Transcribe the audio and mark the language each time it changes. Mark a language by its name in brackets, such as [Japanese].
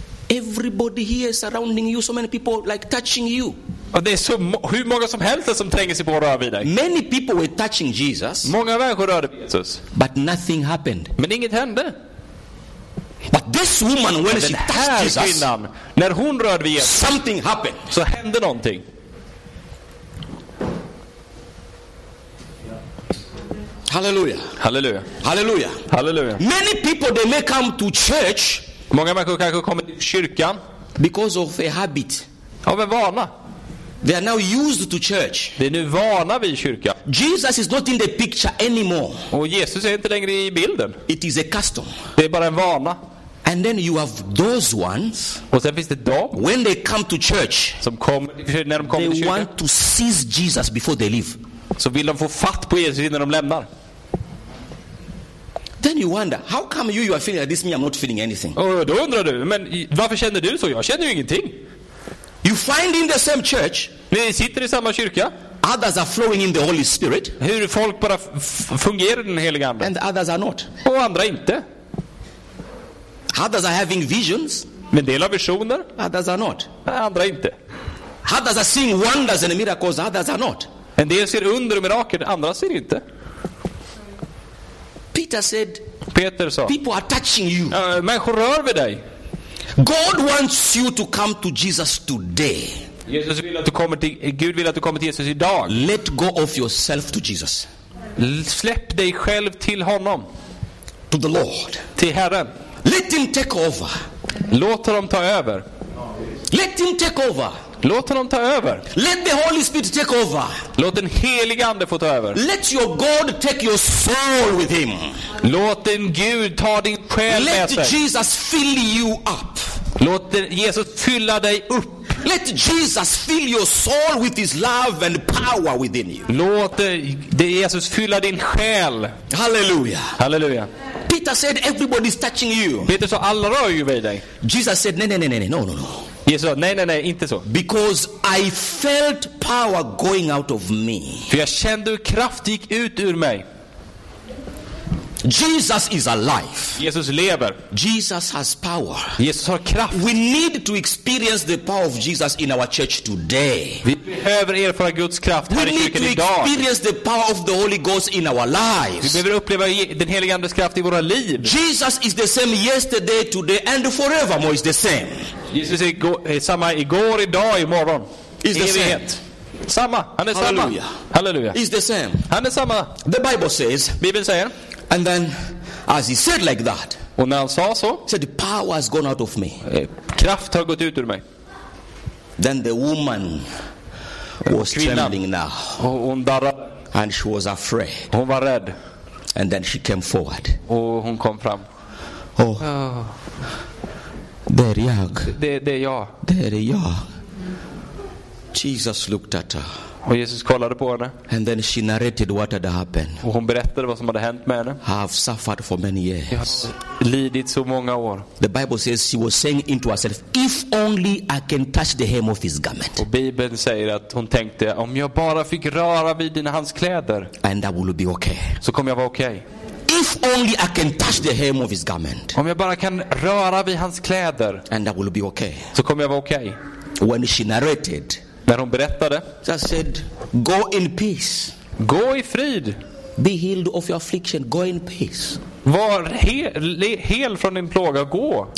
[English] Everybody here surrounding you, so many people like touching you. [Swedish] Och det är så hur många som helst som tränger sig på att röra vid dig. [English] Many people were touching Jesus. [Swedish] Många människor rörde vid Jesus. [English] But nothing happened. [Swedish] Men inget hände. [English] But this woman, when she touched Jesus, [Swedish] kvinnan, när hon rörde vid Jesus, [English] something happened. [Swedish] Så hände någonting. Halleluja. Halleluja. Halleluja. Halleluja. [English] Many people they may come to church. [Swedish] Många människor kanske kommer till kyrkan [English] because of a habit. [Swedish] Av en vana. [English] They are now used to church. [Swedish] De är nu vana vid kyrkan. [English] Jesus is not in the picture anymore. [Swedish] Och Jesus är inte längre i bilden. [English] It is a custom. [Swedish] Det är bara en vana. [English] And then you have those ones. [Swedish] Och sen finns det dem. [English] When they come to church. [Swedish] Som kommer när de kommer till kyrkan. [English] They want to seize Jesus before they leave. [Swedish] Så vill de få fatt på Jesus innan de lämnar. [English] Then you wonder, how come you are feeling like this, me I'm not feeling anything. [Swedish] Oh, då undrar du, men varför känner du så? Jag känner ju ingenting. [English] You find in the same church. [Swedish] Ni sitter i samma kyrka. [English] Others are flowing in the Holy Spirit. [Swedish] Hur folk bara fungerar i den heliga ande. [English] And others are not. [Swedish] Och andra inte. [English] Others are having visions. [Swedish] Men del av visioner. [English] Others are not. [Swedish] Andra inte. [English] Others are seeing wonders and miracles. Others are not. [Swedish] En del ser under och mirakel, andra ser inte. [English] Peter said. [Swedish] Peter sa. [English] People are touching you. [Swedish] Människor rör vid dig. [English] God wants you to come to Jesus today. [Swedish] Jesus vill att du kommer till Gud vill att du kommer till Jesus idag. [English] Let go of yourself to Jesus. [Swedish] Släpp dig själv till honom. [English] To the Lord. [Swedish] Till Herren. [English] Let him take over. [Swedish] Låt honom ta över. [English] Let him take over. [Swedish] Låt honom ta över. [English] Let the Holy Spirit take over. [Swedish] Låt den helige ande få ta över. [English] Let your God take your soul with him. [Swedish] Låt din Gud ta din själ [English] Let [Swedish] med sig. [English] Let Jesus fill you up. [Swedish] Låt Jesus fylla dig upp. [English] Let Jesus fill your soul with his love and power within you. [Swedish] Låt Jesus fylla din själ. Halleluja. Halleluja. [English] Peter said everybody's touching you. [Swedish] Peter sa alla rör ju vid dig. [English] Jesus said no. [Swedish] Jesus sa, nej, inte så. [English] Because I felt power going out of me. [Swedish] För jag kände hur kraft gick ut ur mig. [English] Jesus is alive. [Swedish] Jesus lever. [English] Jesus has power. [Swedish] Jesus har kraft. [English] We need to experience the power of Jesus in our church today. [Swedish] Vi behöver erfara Guds kraft här i kyrkan idag. [English] We need to experience the power of the Holy Ghost in our lives. [Swedish] Vi behöver uppleva den helige andes kraft i våra liv. [English] Jesus is the same yesterday, today and forevermore is the same. [Swedish] Jesus är samma igår, idag, imorgon. [English] is the same. [Swedish] Samma. Han är Halleluja. Samma. Halleluja. [English] Is the same. [Swedish] Han är samma. [English] The Bible says. [Swedish] Bibeln säger. [English] And then, as he said like that. [Swedish] Och när han sa så. [English] Said the power has gone out of me. [Swedish] Kraft har gått ut ur mig. [English] Then the woman was [Swedish] kvinnan. [English] Trembling now. [Swedish] Och hon darrade. [English] And she was afraid. [Swedish] Hon var rädd. [English] And then she came forward. [Swedish] Och hon kom fram. Oh. Där jag. Det är jag. Där är jag. [English] Jesus looked at her. [Swedish] Och Jesus kollade på henne. [English] And then she narrated what had happened. [Swedish] Och hon berättade vad som hade hänt med henne. [English] I've suffered for many years. [Swedish] Jag har lidit så många år. [English] The Bible says she was saying into herself, if only I can touch the hem of his garment. [Swedish] Och Bibeln säger att hon tänkte, om jag bara fick röra vid dina hans kläder. [English] And I will be okay. [Swedish] Så kommer jag vara okej. [English] Okay. If only I can touch the hem of his garment. [Swedish] Om jag bara kan röra vid hans kläder. [English] And I will be okay. [Swedish] Så kommer jag vara okej. [English] Okay. When she narrated. [Swedish] När hon berättade, [English] I said, go in peace. [Swedish] Gå i frid. [English] Be healed of your affliction. Go in peace. [Swedish] Var hel från din plåga. Gå.